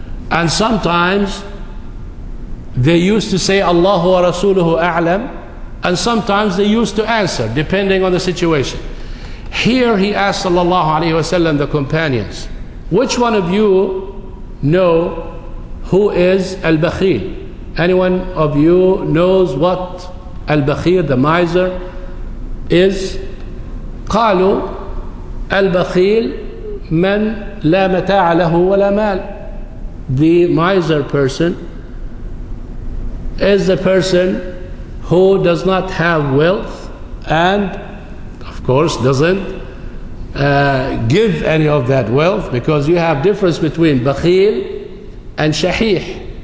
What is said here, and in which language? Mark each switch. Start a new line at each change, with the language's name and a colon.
English: And sometimes they used to say Allahu wa rasuluhu a'lam, and sometimes they used to answer depending on the situation. Here he asked sallallahu alayhi wasallam the companions, which one of you know who is al-bakhil? Anyone of you knows what al-bakhil, the miser, is?
Arabic: قالوا البخيل من لا متاع له ولا مال.
English: The miser person is the person who does not have wealth and of course doesn't give any of that wealth, because you have difference between بخيل and شحيح.